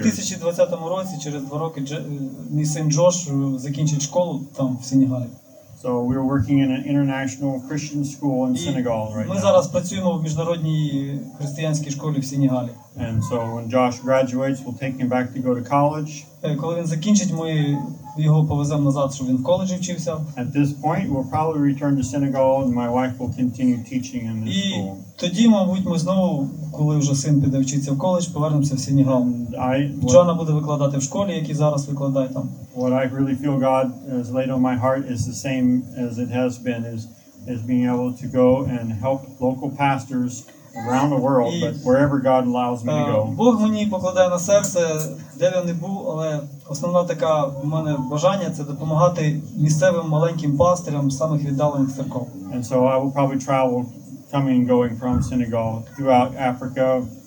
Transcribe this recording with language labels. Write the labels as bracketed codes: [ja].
[uk] У 2020 році, через 2 роки, мій син Джош закінчить школу там, в Сенегалі. [en] So we're working in an international Christian school in Senegal right now. [uk] Ми зараз працюємо в міжнародній християнській школі в Сенегалі. [en] And so when Josh graduates, we'll take him back to go to college. [uk] Коли він закінчить, ми його повеземо назад, щоб він в коледжі вчився. [en] At this point, we'll probably return to Senegal and my wife will continue teaching in this school. [uk] І тоді, мабуть, ми знову, коли вже син піде вчитися в коледж, повернемося в Сенегал. Джоана буде викладати в школі, як і зараз викладає там. [en] What I really feel God has laid on my heart is the same as it has been, is being able to go and help local pastors around the world, but wherever God allows me to go. [uk] Бог мені покладає на серце, де б я не був, але основна така в мене бажання це допомагати місцевим маленьким пастирам самих віддалених церков. [en] And so I will probably travel coming and going from Senegal throughout Africa.